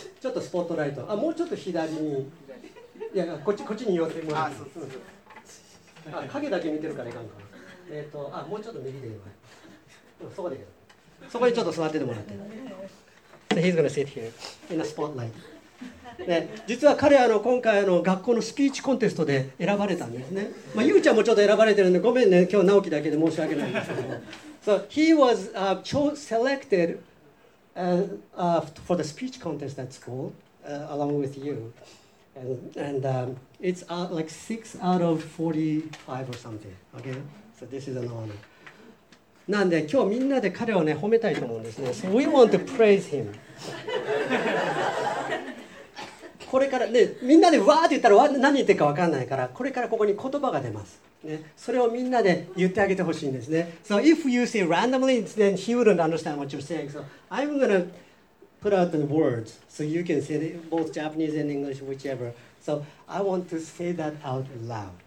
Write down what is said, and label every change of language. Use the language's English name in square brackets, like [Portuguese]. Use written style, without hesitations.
[Japanese] ちょっとスポットライト。あ、もうちょっと左に。いや、こっちに寄ってもらって。あ、そうそう。あ、影だけ見てるからいかんか。あ、もうちょっと右でいいわ。そこでいいよ。そこにちょっと座っててもらって。 [English] So he's gonna sit here in a spotlight. [Japanese] ね、実は彼は今回学校のスピーチコンテストで選ばれたんですね。まあ、ゆうちゃんもちょっと選ばれてるんで、ごめんね、今日直樹だけで申し訳ないんですけども。 [English] So he was selected for the speech contest at school along with you. And it's like 6 out of 45 or something. Okay? So this is an honor. [Japanese] なんで今日みんなで彼をね、褒めたいと思うんですね。 [English] So we want to praise him. [Japanese] これからね、みんなでわーって言ったら何言ってるか分かんないから、これからここに言葉が出ます、ね、それをみんなで言ってあげてほしいんですね。 [English] So if you say randomly, then he wouldn't understand what you're saying. So I'm gonna put out the words so you can say it both Japanese and English, whichever. So I want to say that out loud.